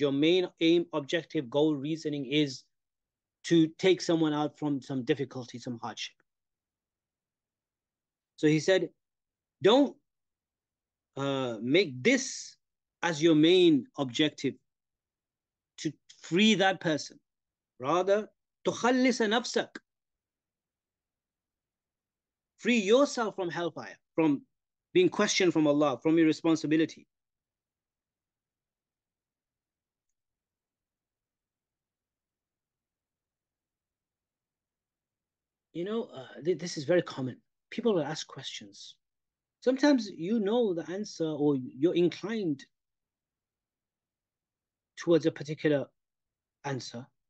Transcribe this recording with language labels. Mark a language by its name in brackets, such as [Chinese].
[English] Your main aim, objective, goal, reasoning is to take someone out from some difficulty, some hardship. So he said, don't make this as your main objective to free that person. Rather, [Arabic] تخلص نفسك. [English] Free yourself from hellfire, from being questioned from Allah, from your responsibility. This is very common. People will ask questions. Sometimes you know the answer or you're inclined towards a particular answer.